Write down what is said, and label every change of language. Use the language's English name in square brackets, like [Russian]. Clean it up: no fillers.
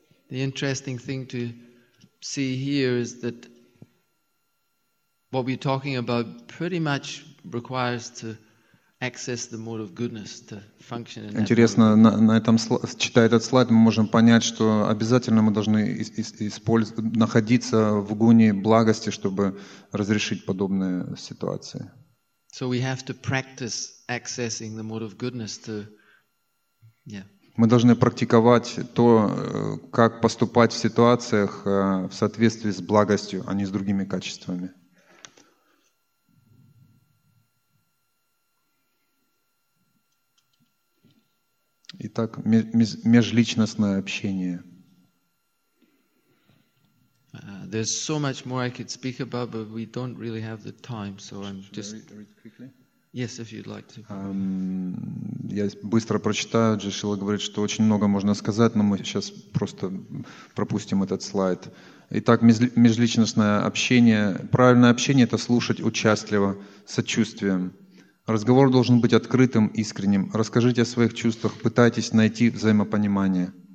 [English] The interesting thing to see here is that what we're talking about pretty much requires to access the mode of goodness to function in that. [Russian] Интересно, на этом читая этот слайд, мы можем понять, что обязательно мы должны находиться в гуне благости, чтобы разрешить подобные ситуации. [English] So we have to practice accessing the mode of goodness to, yeah. [Russian] Мы должны практиковать то, как поступать в ситуациях в соответствии с благостью, а не с другими качествами. Итак, межличностное общение. [English] There's so much more I could speak about, but we don't really have the time, so I'm just... Yes, if you'd like to. [Russian] Я быстро прочитаю. Джишила говорит, что очень много можно сказать, но мы сейчас просто пропустим этот слайд. Итак, межличностное общение. Правильное общение – это слушать участливо, сочувствием. Разговор должен быть открытым, искренним. Расскажите о своих чувствах, пытайтесь найти взаимопонимание.